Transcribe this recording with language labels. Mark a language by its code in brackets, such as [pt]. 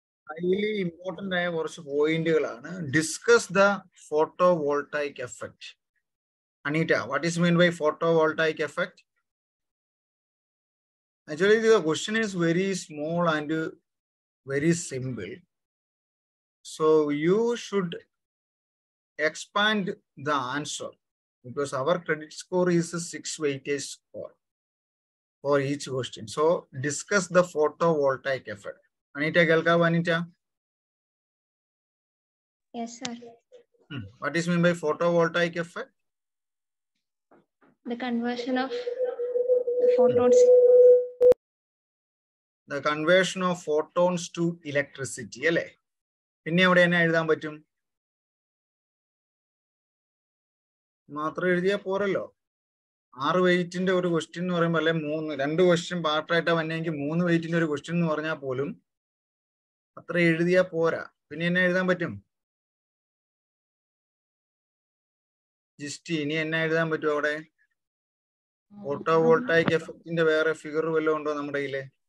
[ml] Highly important ആയ കുറച്ച് പോയിന്റുകളാണ്. [en] Discuss the photovoltaic effect. Anita, what is mean by photovoltaic effect? Actually the question is very small and very simple. So you should expand the answer because our credit score is a 6-weightage score for each question. So discuss the photovoltaic effect. Anita Galka, Anita? Yes, sir. What is mean by photovoltaic effect? The conversion of the photons. The conversion of photons to electricity. [ml] Alle pinne evade enna ezhudan pattum മാത്രം എഴുതിയാൽ പോരല്ലോ. ആറ് വെയിറ്റിന്റെ ഒരു question എന്ന് പറയുമ്പോൾ അല്ലെ, മൂന്ന് രണ്ട് ക്വസ്റ്റ്യൻ പാർട്ടായിട്ട് വന്നെങ്കിൽ മൂന്ന് വെയിറ്റിന്റെ ഒരു ക്വസ്റ്റ്യൻ എന്ന് പറഞ്ഞാൽ പോലും അത്ര എഴുതിയാ പോരാ. പിന്നെ എന്നെ എഴുതാൻ പറ്റും ജിസ്റ്റി? ഇനി എന്നെ എഴുതാൻ പറ്റും അവിടെ? ഫോട്ടോ വോൾട്ടായിക് എഫക്റ്റിന്റെ വേറെ ഫിഗർ വല്ലതും ഉണ്ടോ നമ്മുടെ കയ്യില്?